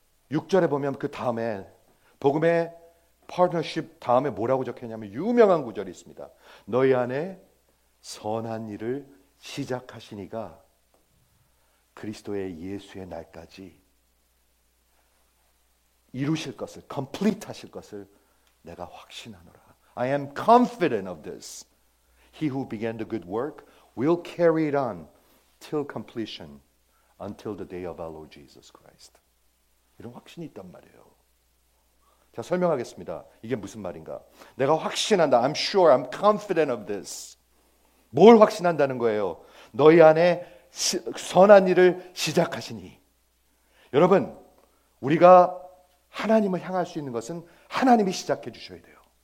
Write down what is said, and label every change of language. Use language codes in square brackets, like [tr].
[ko] 6절에 보면 그 다음에, 복음의 파트너십 다음에 뭐라고 적혀있냐면, 유명한 구절이 있습니다. 너희 안에 선한 일을 시작하시니가 그리스도의 예수의 날까지 이루실 것을, complete 하실 것을 내가 확신하노라. [en] I am confident of this. He who began the good work will carry it on till completion, until the day of our Lord Jesus Christ. [ko] 이런 확신이 있단 말이에요. 제가 설명하겠습니다. 이게 무슨 말인가? 내가 확신한다. [en] I'm sure. I'm confident of this. [ko] 뭘 확신한다는 거예요? 너희 안에 선한 일을 시작하시니. 여러분, 우리가 하나님을 향할 수 있는 것은 하나님이 시작해 주셔야 돼요.